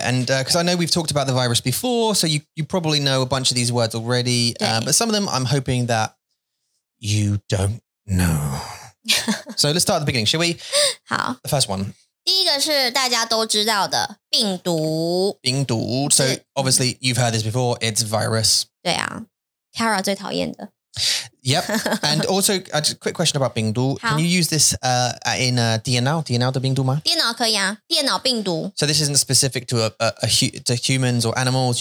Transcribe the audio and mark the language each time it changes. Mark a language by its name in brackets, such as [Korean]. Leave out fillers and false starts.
[English] And because I know we've talked about the virus before, so you probably know a bunch of these words already. But some of them I'm hoping that you don't know. So let's start at the beginning, shall we? [Chinese] 好。 [English] The first one. [Chinese] 第一个是大家都知道的病毒。病毒。 [English] So obviously you've heard this before, it's virus. [Chinese] 对啊。Kara 最讨厌的。 [English] Yep. And also, a quick question about 病毒.Can you use this in [Chinese] 电脑?电脑的病毒吗? 电脑可以啊。电脑病毒。 [English] So this isn't specific to to humans or animals.